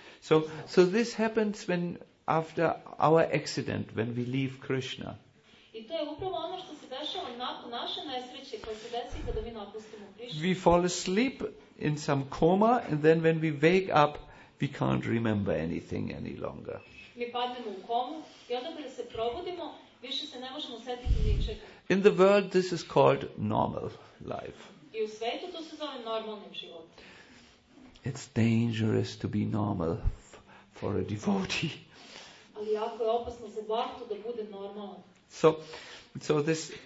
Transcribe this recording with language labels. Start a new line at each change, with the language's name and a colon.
English: So this happens when after our accident, when we leave Krishna.
Serbian: I to je upravo ono što se dešava nakon naše nesreće koje se desi kada mi napustimo Krishna.
English: We fall asleep in some coma and then when we wake up, we can't remember anything any longer.
Serbian: Mi padnemo u komu i onda kada se probudimo, više se ne možemo setiti ničega.
English: In the world, this is called normal life.
Serbian: I u svetu to se zove normalnim životom.
English: It's dangerous to be normal for a devotee.
Serbian: Ali jako je opasno za bhaktu da bude normalan.
English: So this